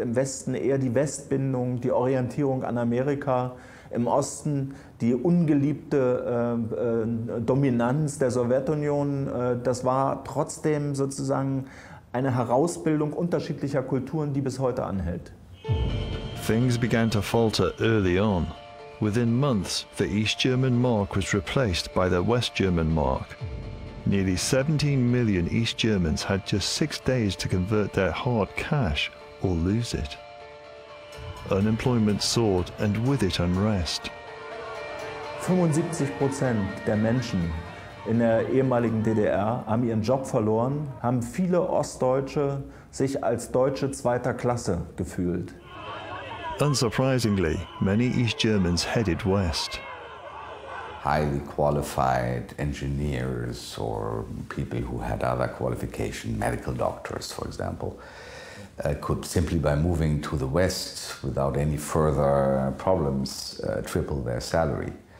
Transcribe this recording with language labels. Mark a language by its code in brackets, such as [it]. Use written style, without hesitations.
[de] Im Westen eher die Westbindung, die Orientierung an Amerika. Im Osten die ungeliebte Dominanz der Sowjetunion. Das war trotzdem sozusagen eine Herausbildung unterschiedlicher Kulturen, die bis heute anhält. [en] Things began to falter early on. Within months, the East German Mark was replaced by the West German Mark. Nearly 17 million East Germans had just 6 days to convert their hard cash or lose it. Unemployment soared, and with it unrest. [de] 75% der Menschen in der ehemaligen DDR haben ihren Job verloren, haben viele Ostdeutsche sich als Deutsche zweiter Klasse gefühlt. [en] Unsurprisingly, many East Germans headed west. Highly qualified engineers or people who had other qualifications, medical doctors, for example, could simply by moving to the west without any further problems triple their salary.